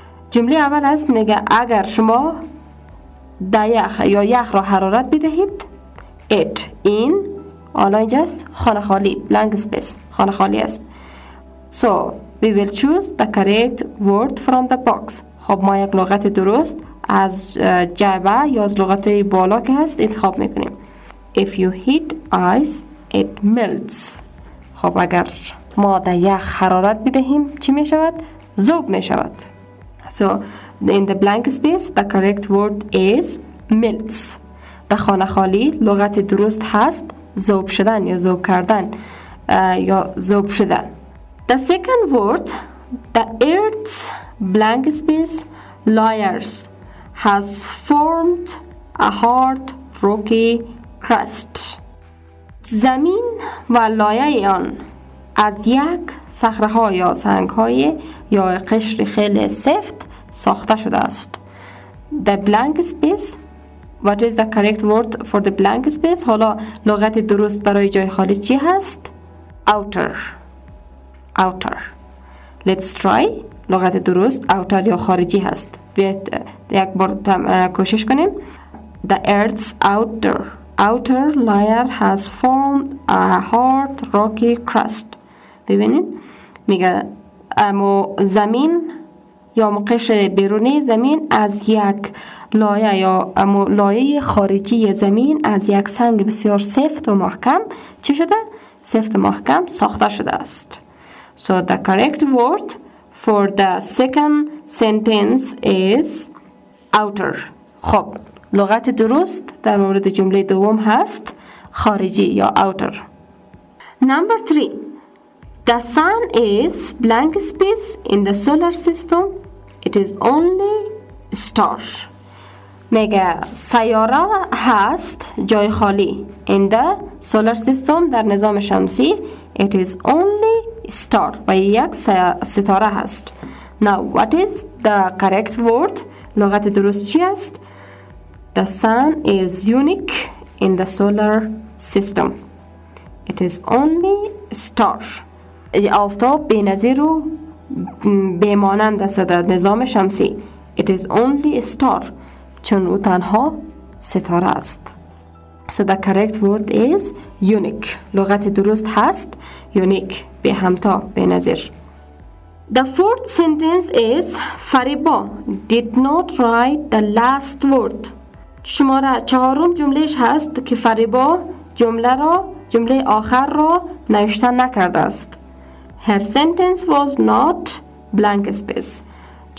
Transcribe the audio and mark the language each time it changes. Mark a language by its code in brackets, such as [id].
[fa] جمله اول است, میگه اگر شما در یخ یا یخ را حرارت بدهید, it, in, آلا اینجا است, خانه خالی, blank space, خانه خالی است. [en] So, we will choose the correct word from the box. [fa] خب ما یک لغت درست, از جعبه یا از لغت بالا که هست انتخاب میکنیم. [en] If you heat ice, it melts. [fa] خب اگر ما در یخ حرارت بدهیم چی میشود؟ ذوب میشود. [en] So in the blank space the correct word is melts. [fa] در خانه خالی لغت درست هست ذوب شدن یا ذوب کردن یا ذوب شدن. [en] The second word, the earth's blank space layers has formed a hard rocky crust. [fa] زمین و لایه آن از یک صخره ها یا سنگ های یا قشر خیلی سفت ساخته شده است. [en] The blank space, what is the correct word for the blank space? [fa] حالا لغت درست برای جای خالی چی هست؟ Outer. [en] Outer. Let's try. [fa] لغت درست outer یا خارجی هست. بیاید یک بار کوشش کنیم. [en] The earth's outer layer has formed a hard rocky crust. [fa] ببینید میگه اما زمین یا مقش بیرونی زمین از یک لایه یا اما لایه خارجی زمین از یک سنگ بسیار سفت و محکم چی شده؟ سفت و محکم ساخته شده است. [en] So the correct word for the second sentence is outer. [fa] خب لغت درست در مورد جمله دوم هست خارجی یا outer. [en] Number 3. The sun is blank space in the solar system. It is only star. [fa] میگه سیاره هست جای خالی [en] in the solar system [fa] در نظام شمسی. [en] It is only star [fa] و یک ستاره هست. [en] Now what is the correct word? [fa] لغت درست چی است؟ [en] The sun is unique in the solar system. It is only star. [fa] آفتاب بی نظیر و بی مانند است در نظام شمسی. [en] It is only star. [fa] چون او تنها ستاره است. [en] So the correct word is unique. [fa] لغت درست هست [en] unique. [fa] به همتا به نظیر. [en] The fourth sentence is Fariba did not write the last word. [fa] شماره چهارم جملهش هست که فریبا جمله را جمله آخر را نوشته نکرده است. [en] Her sentence was not blank space. [fa] جا